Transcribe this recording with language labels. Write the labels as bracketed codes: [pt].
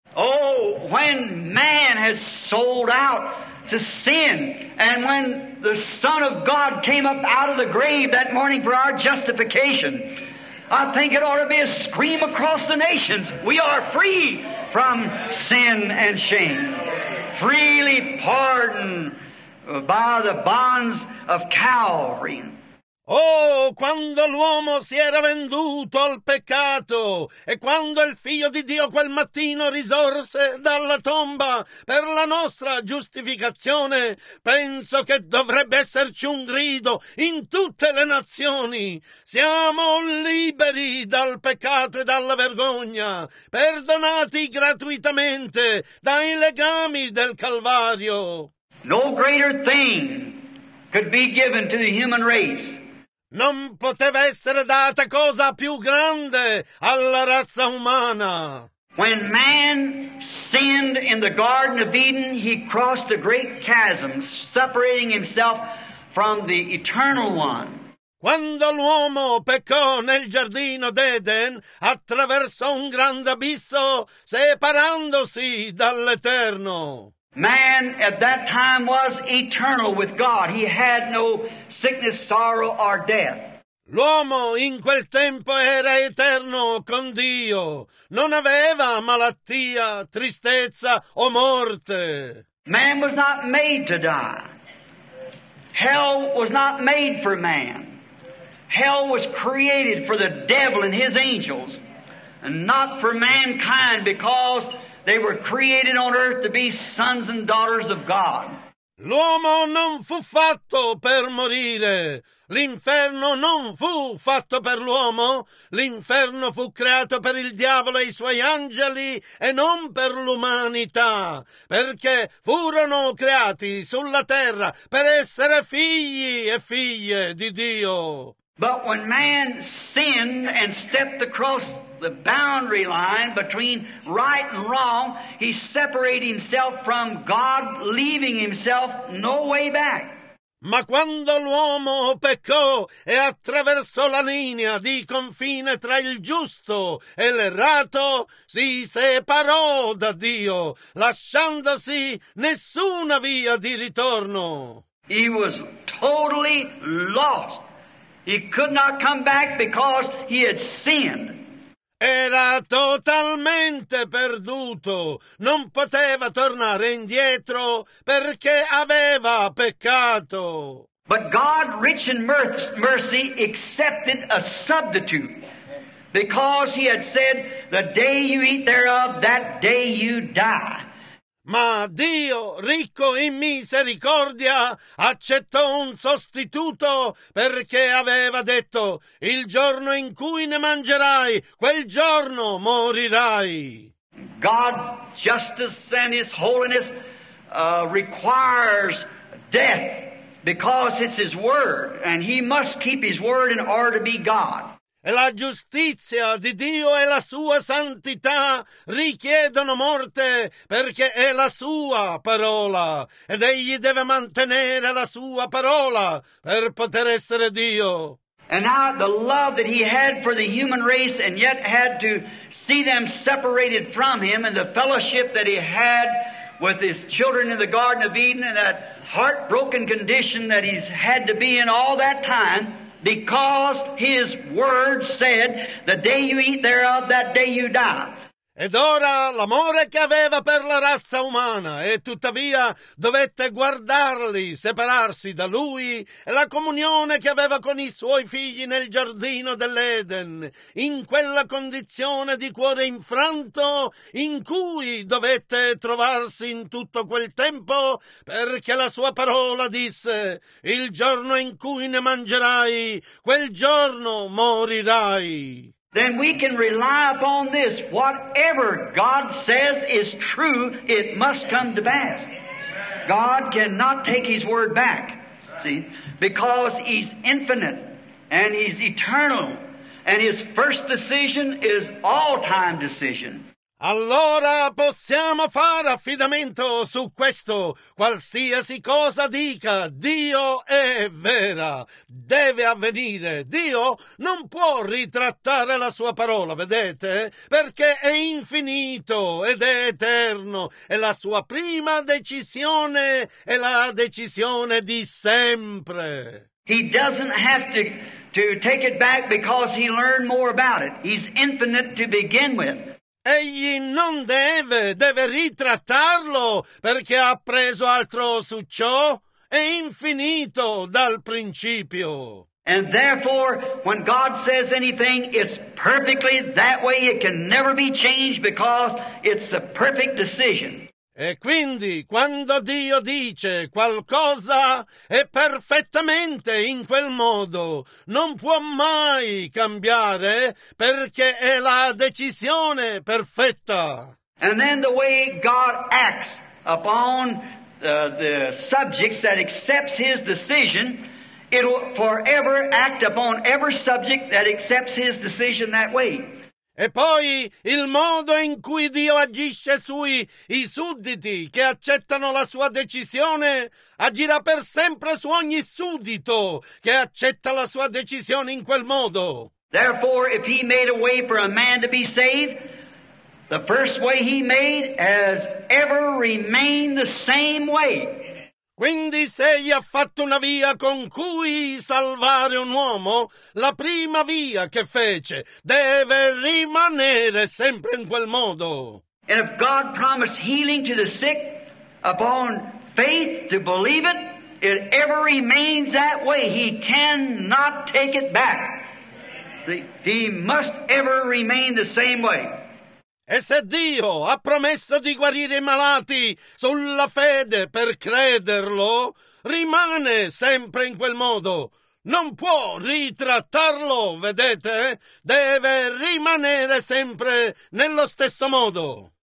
[en] Oh, when man has sold out to sin, and when the Son of God came up out of the grave that morning for our justification, I think it ought to be a scream across the nations. We are free from sin and shame, freely pardoned by the bonds of Calvary. [it] Oh, quando l'uomo si era venduto al peccato e quando il Figlio di Dio quel mattino risorse dalla tomba per la nostra giustificazione, penso che dovrebbe esserci un grido in tutte le nazioni. Siamo liberi dal peccato e dalla vergogna, perdonati gratuitamente dai legami del Calvario. [en] No greater thing could be given to the human race. [it] Non poteva essere data cosa più grande alla razza umana. [en] When man sinned in the Garden of Eden, he crossed a great chasm, separating himself from the Eternal One. [it] Quando l'uomo peccò nel giardino d'Eden, attraversò un grande abisso, separandosi dall'Eterno. [en] Man at that time was eternal with God. He had no sickness, sorrow, or death. [it] L'uomo in quel tempo era eterno con Dio. Non aveva malattia, tristezza o morte. [en] Man was not made to die. Hell was not made for man. Hell was created for the devil and his angels, and not for mankind, because they were created on earth to be sons and daughters of God. [it] L'uomo non fu fatto per morire. L'inferno non fu fatto per l'uomo. L'inferno fu creato per il diavolo e i suoi angeli e non per l'umanità, perché furono creati sulla terra per essere figli e figlie di Dio. [en] But when man sinned and stepped across the boundary line between right and wrong, he separated himself from God, leaving himself no way back. [it] Ma quando l'uomo peccò e attraversò la linea di confine tra il giusto e l'errato, si separò da Dio, lasciandosi nessuna via di ritorno. [en] He was totally lost. He could not come back because he had sinned. [it] Era totalmente perduto. Non poteva tornare indietro perché aveva peccato. [en] But God, rich in mercy, accepted a substitute, because he had said, "The day you eat thereof, that day you die." [it] Ma Dio, ricco in misericordia, accettò un sostituto perché aveva detto, il giorno in cui ne mangerai, quel giorno morirai. [en] God's justice and his holiness requires death, because it's his word, and he must keep his word in order to be God. [it] E la giustizia di Dio e la sua santità richiedono morte, perché è la sua parola, ed egli deve mantenere la sua parola per poter essere Dio. [en] And now the love that he had for the human race, and yet had to see them separated from him, and the fellowship that he had with his children in the Garden of Eden, and that heartbroken condition that he's had to be in all that time, because his word said, the day you eat thereof, that day you die. [it] Ed ora l'amore che aveva per la razza umana e tuttavia dovette guardarli separarsi da lui e la comunione che aveva con i suoi figli nel giardino dell'Eden, in quella condizione di cuore infranto in cui dovette trovarsi in tutto quel tempo, perché la sua parola disse: il giorno in cui ne mangerai, quel giorno morirai. [en] Then we can rely upon this. Whatever God says is true, it must come to pass. God cannot take his word back, see, because he's infinite and he's eternal, and his first decision is all-time decision. [it] Allora possiamo fare affidamento su questo. Qualsiasi cosa dica, Dio è vera. Deve avvenire. Dio non può ritrattare la sua parola, vedete? Perché è infinito ed è eterno. E la sua prima decisione è la decisione di sempre. [en] He doesn't have to take it back because he learned more about it. He's infinite to begin with. [it] Egli non deve ritrattarlo perché ha preso altro su ciò, è infinito dal principio. [en] And therefore, when God says anything, it's perfectly that way, it can never be changed because it's the perfect decision. [it] E quindi, quando Dio dice qualcosa, è perfettamente in quel modo. Non può mai cambiare, perché è la decisione perfetta. [en] And then the way God acts upon the subjects that accepts his decision, it will forever act upon every subject that accepts his decision that way. [it] E poi il modo in cui Dio agisce sui i sudditi che accettano la sua decisione agirà per sempre su ogni suddito che accetta la sua decisione in quel modo. [en] Therefore, if he made a way for a man to be saved, the first way he made has ever remained the same way. [it] Quindi se egli ha fatto una via con cui salvare un uomo, la prima via che fece deve rimanere sempre in quel modo. [en] And if God promised healing to the sick upon faith to believe it, it ever remains that way. He cannot take it back. He must ever remain the same way. [it] E se Dio ha promesso di guarire i malati sulla fede per crederlo, rimane sempre in quel modo. Non può ritrattarlo, vedete? Deve rimanere sempre nello stesso modo.